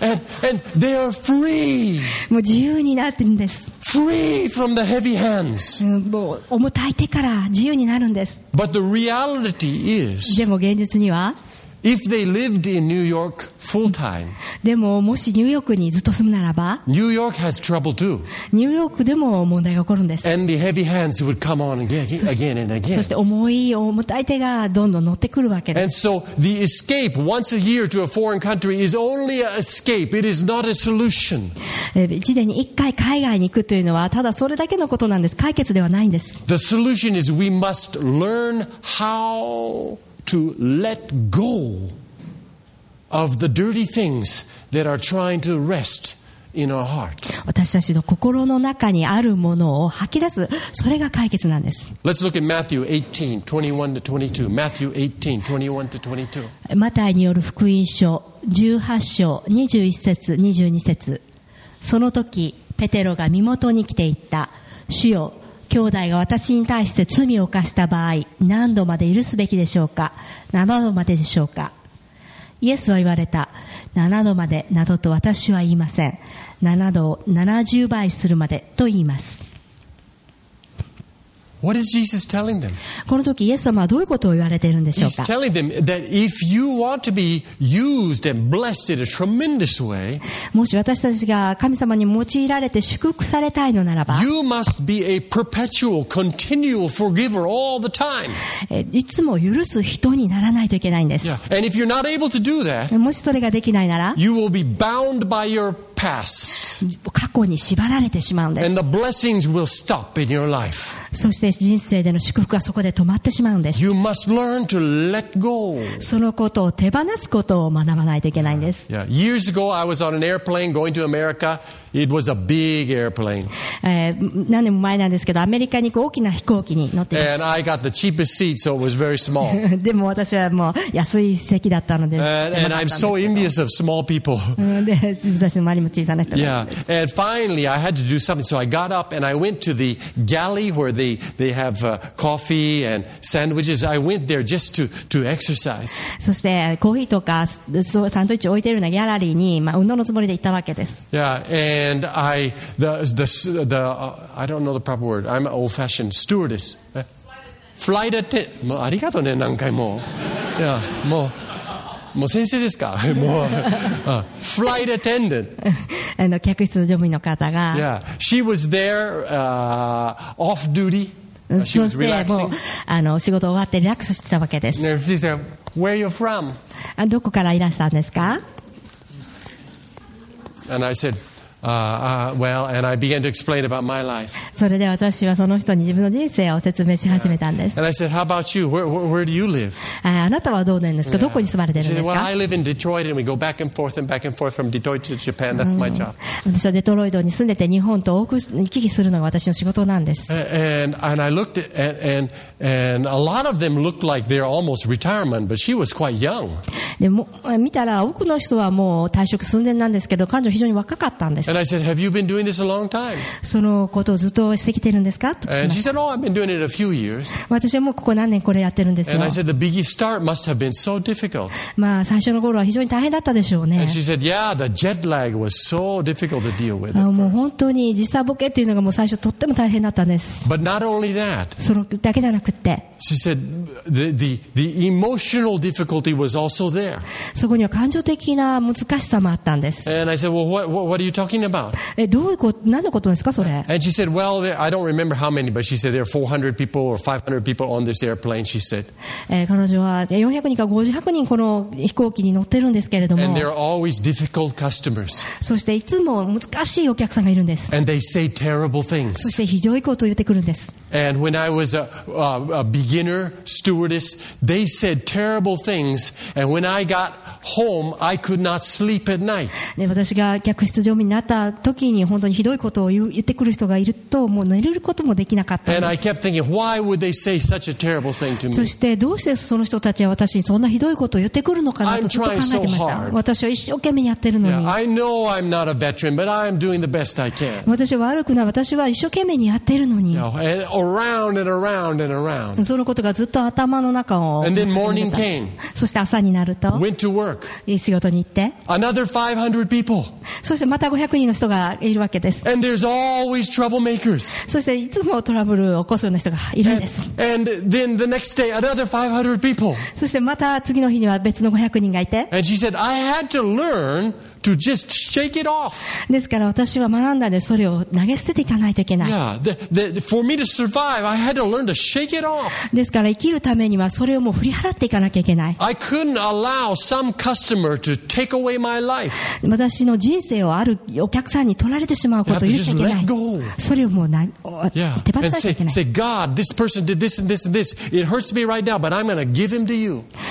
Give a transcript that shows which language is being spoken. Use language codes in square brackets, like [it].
[en] and they are free. [ja] もう自由になってるんです。 [en] Free from the heavy hands. [ja] もう重たい手から自由になるんです。 [en] But the reality is, [ja] でも現実には、 [en] if they lived in New York full time, [ja] でももしニューヨークにずっと住むならば、 [en] New York has trouble too. [ja] ニューヨークでも問題が起こるんです。 [en] And the heavy hands would come on again and again. [ja] そして重たい手がどんどん乗ってくるわけです。 [en] And so the escape once a year to a foreign country is only an escape. It is not a solution. [ja] 1年に1回海外に行くというのはただそれだけのことなんです。解決ではないんです。 [en] The solution is we must learn howto let go of the dirty things that are trying to rest in our heart. [ja] 私たちの心の中にあるものを吐き出す、それが解決なんです。 [en] Let's look at Matthew 18, 21 to 22. Matthew 18, 21 to 22. [ja] マタイによる福音書18章21節22節。その時、ペテロが身元に来て言った。主よ、兄弟が私に対して罪を犯した場合、何度まで許すべきでしょうか、7度まででしょうか。イエスは言われた。 7度までなどと私は言いません。7度を70倍するまでと言います。 [en] What is Jesus telling them? [ja] この時イエス様はどういうことを言われているんでしょうか。 [en] He's telling them that if you want to be used and blessed in a tremendous way, [ja] もし私たちが神様に用いられて祝福されたいのならば、 [en] you must be a perpetual, continual forgiver all the time. [ja] いつも許す人にならないといけないんです。 [en] Yeah. And if you're not able to do that, [ja] もしそれができないなら、 [en] you will be bound by your past. [ja] 過去に縛られてしまうんです。 [en] And the blessings will stop in your life. [ja] そして人生での祝福はそこで止まってしまうんです。 [en] You must learn to let go. [ja] そのことを手放すことを学ばないといけないんです。 [en] Yeah. Years ago, I was on an airplane going to America. It was a big airplane. [ja] 何年も前なんですけど、アメリカに行く大きな飛行機に乗っています [en] And I got the cheapest seat, so it was very small. [ja] でも私はもう安い席だったので。 [en] And I'm so envious of small people. [ja] 私の周りも小さな人 [en] が。And finally, I had to do something. So I got up and I went to the galley where they have coffee and sandwiches. I went there just to exercise. [ja] そしてコーヒーとかサンドイッチ置いてるようなギャラリーに、まあ、運動のつもりで行ったわけです。 [en] Yeah, and I, the I don't know the proper word. I'm an old-fashioned stewardess. Flight attendant. [ja] もうありがとうね、何回も。 Yeah, もう。もう先生ですか。もう、フライトアテンダント。あの客室乗務員の方が。 [en] Yeah, she was there, off duty. She was relaxing. [ja] もうあの仕事終わってリラックスしてたわけです。 [en] And she said, "Where are you from?" [ja] どこからいらしたんですか。 [en] And I said, "Well," and I began to explain about my life. [ja] それで私はその人に自分の人生を説明し始めたんです。 [en] And I said, "How about you? Where do you live?" [ja] あなたはどうなんですか。どこに住まれてるんですか。 [en] She said, "Well, I live in Detroit, and we go back and forth and back and forth from Detroit to Japan. That's my job." [ja] 私はデトロイトに住んでて日本と往復行き来するのが私の仕事なんです。 [en] And I looked at and a lot of them looked like they're almost retirement, but she was quite young. [ja] でも見たら多くの人はもう退職寸前なんですけど、彼女非常に若かったんです。 [en] And I said, "Have you been doing this a long time?" [ja] そのことをずっとしてきてるんですか。 [en] And she said, "Oh, I've been doing it a few years." [ja] 私はもうここ何年これやってるんですよ。 [en] And I said, "The biggest start must have been so difficult." [ja] まあ最初の頃は非常に大変だったでしょうね。 [en] And she said, "Yeah, the jet lag was so difficult to deal with." [ja] もう本当に時差ボケっていうのがもう最初とっても大変だったんです。 [en] But not only that. [ja] そのだけじゃなくて。 [en] She said, "The emotional difficulty was also there." [ja] そこには感情的な難しさもあったんです。 [en] And I said, "Well, what are you talking?" [ja] どういうこと、何のことですかそれ。 [en] And she said, "Well, I don't remember how many, but she said there are 400 people or 500 people on this airplane." She said, [ja] 彼女は400人か500人この飛行機に乗ってるんですけれども。 [en] And there are always difficult customers. [ja] そしていつも難しいお客さんがいるんです。 [en] And they say terrible things. [ja] そしてひどいことを言ってくるんです。 [en] And when I was a beginner stewardess, they said terrible things. And when I got home, I could not sleep at night. [ja] 私が客室乗務員になった時に本当にひどいことを言ってくる人がいるともう寝ることもできなかったんです。 [en] thinking, [ja] そしてどうしてその人たちは私にそんなひどいことを言ってくるのかなとずっと考えてました。私は一生懸命やってるのに。 [en] I know I'm not a veteran, but I'm doing the best I can. [ja] 私は悪くない、私は一生懸命にやってるのに。 [en] Yeah, around and around and around. [ja] そのことがずっと頭の中を。 [en] And then morning came. [ja] そして朝になると。 [en] Went to work. [ja] 仕事に行って。 [en] Another 500 people. [ja] そしてまた500人の人がいるわけです。 [en] And there's always troublemakers. [ja] そしていつもトラブルを起こすような人がいるんです。 [en] And then the next day, another 500 people. [ja] そしてまた次の日には別の500人がいて。 [en] And she said, I had to learn. To just shake it off. [ja] ですから私は学んだでそれを投げ捨てていかないといけない。 [en] Yeah, for me to survive, I had to learn to shake it off. [ja] ですから生きるためにはそれをもう振り払っていかなきゃいけない。 [en] I couldn't allow some customer to take away my life. [ja] 私の人生をあるお客さんに取られてしまうことを許していけない。 [en] Let go. [ja] それをもう手放さなきゃいけない。 [en] Say, God, this person did this and this and this. It hurts me right now, but I'm going to give him to you.